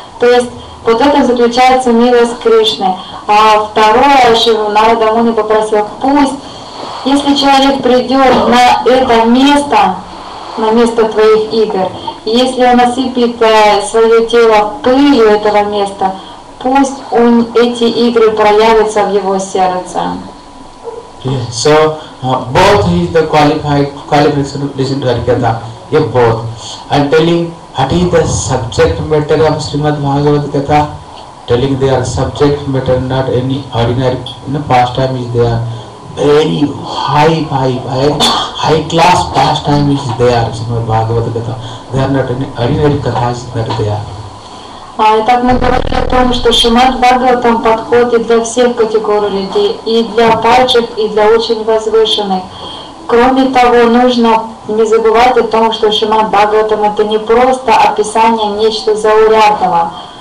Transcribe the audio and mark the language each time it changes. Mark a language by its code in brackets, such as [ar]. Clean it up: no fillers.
[ru] То есть вот это заключается милость Кришны. А второе, что Нарада Муни попросил, пусть, если человек придет на это место, на место твоих игр, если он осыпет свое тело пылью этого места, пусть он эти игры проявятся в его сердце. [en] Yeah. So both is the qualification of listening to Harikatha. Yeah, both. I'm telling what is the subject matter of Srimad Bhagavatam. Telling they are subject matter, not any ordinary. You know, pastime is there. Very high class pastime is there, Srimad Bhagavata Katha. They are not any ordinary kathas that they are. [ru] Итак, мы говорили о том, что Шримад Бхагаватам подходит для всех категорий людей, и для падших, и для очень возвышенных. Кроме того, нужно не забывать о том, что Шримад Бхагаватам это не просто описание нечто заурядного.